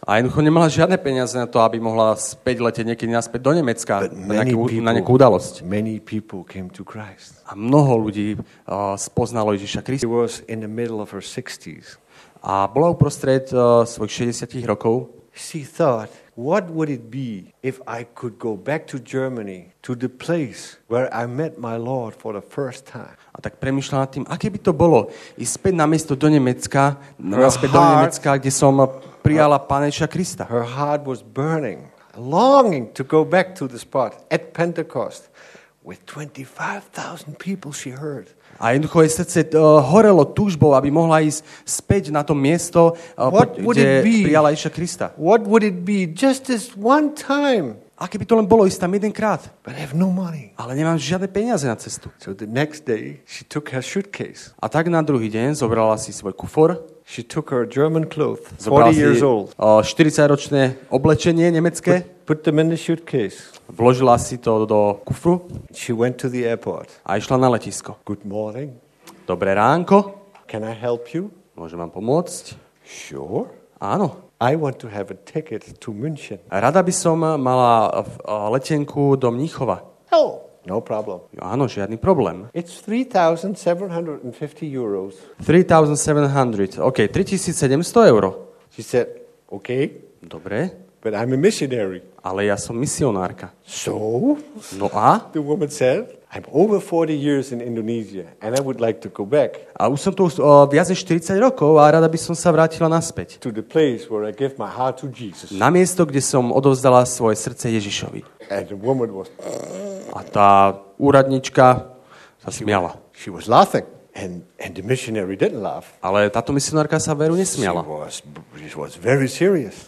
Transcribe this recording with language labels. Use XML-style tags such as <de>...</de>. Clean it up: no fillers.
<sk>A jednoducho nemala žiadne peniaze na to, aby mohla späť letieť niekedy naspäť do Nemecka na nejakú udalosť.</sk> <en>Many people came to Christ.</en> <sk>A mnoho ľudí spoznalo Ježiša Krista.</sk> <en>She was in the middle of her 60s.</en> <sk>A bola uprostred svojich 60 rokov.</sk> <en>She thought, what would it be if I could go back to Germany to the place where I met my Lord for the first time.</en> <sk>A tak premýšľala nad tým, aké by to bolo ísť späť na miesto do Nemecka, naspäť do Nemecka, kde som prijala Pána Ježiša Krista.</sk> <en>Her heart was burning, longing to go back to the spot at Pentecost with 25,000 people she heard.</en> <sk>A jednoducho jej srdce horelo túžbou, aby mohla ísť späť na to miesto, kde prijala Ježiša Krista.</sk> <en>What would it be just this one time?</en> <sk>A keby to len bolo ísť tam jedenkrát?</sk> <en>But I have no money.</en> <sk>Ale nemám žiadne peniaze na cestu.</sk> <en>So the next day she took her suitcase.</en> <sk>A tak na druhý deň zobrala si svoj kufor.</sk> <en>She took her German clothes, 40 years old.</en> <sk>40-ročné oblečenie nemecké.</sk> <en>Put them in the suitcase.</en> <sk>Vložila si to do kufru.</sk> <en>She went to the airport.</en> <sk>A išla na letisko.</sk> <en>Good morning.</en> <sk>Dobré ránko.</sk> <en>Can I help you?</en> <sk>Môžem vám pomôcť?</sk> <en>Sure.</en> <sk>Áno.</sk> <en>I want to have a ticket to München.</en> <sk>Rada by som mala letenku do Mníchova.</sk> <en>Hello. No problem.</en> <sk>Jo, áno, žiadny problém.</sk> <en>It's 3,750 euros.</en> <sk>3,700. OK, 3,700 eur.</sk> <en>She said, OK.</en> <sk>Dobre.</sk> <en>But I'm a missionary.</en> <sk>Ale ja som misionárka.</sk> <en>So?</en> <sk>No a?</sk> <en>The woman said, I'm over 40 years in Indonesia and I would like to go back.</en> <sk>A už som tu viac než 40 rokov a rada by som sa vrátila naspäť.</sk> <en>To the place where I gave my heart to Jesus.</en> <sk>Na miesto, kde som odovzdala svoje srdce Ježišovi.</sk> <en>And the woman was...</en> <sk>A tá úradnička sa smiala.</sk> <en>She was laughing. And the missionary didn't laugh.</en> <sk>Ale táto misionárka sa veru nesmiala.</sk> <en>She was very serious.</en>